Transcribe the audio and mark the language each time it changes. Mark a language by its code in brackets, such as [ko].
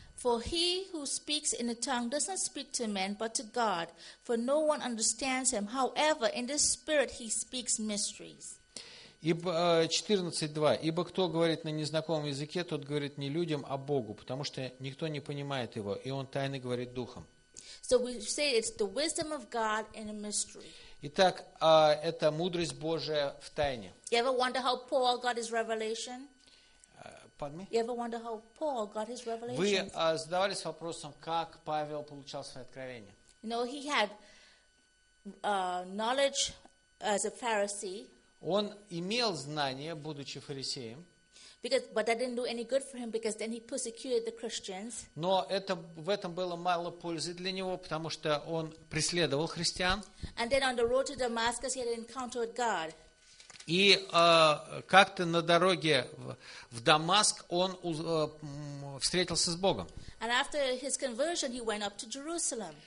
[en] For he who speaks in a tongue does not speak to men, but to God. For no one understands him. However, in the spirit he speaks mysteries. 14.2. [ru] Ибо кто говорит на незнакомом языке, тот говорит не людям, а Богу, потому что никто не понимает его, и он тайны говорит духом. [en] So we say it's the wisdom of God in a mystery. [ru] Итак, это мудрость Божия в тайне. [en] You ever wonder how Paul got his revelation? Pardon me? You ever wonder how Paul got his revelation? [ru] Вы задавались вопросом, как Павел получал свои откровения? [en] You know, he had knowledge as a Pharisee. [ru] Он имел знания, будучи фарисеем. [en] Because, but that didn't do any good for him because then he persecuted the Christians. [ru] Но это в этом было мало пользы для него, потому что он преследовал христиан. [en] And then on the road to Damascus, he had an encounter with God. [ru] И как-то на дороге в Дамаск он встретился с Богом. [en] And after his conversion, he went up to Jerusalem.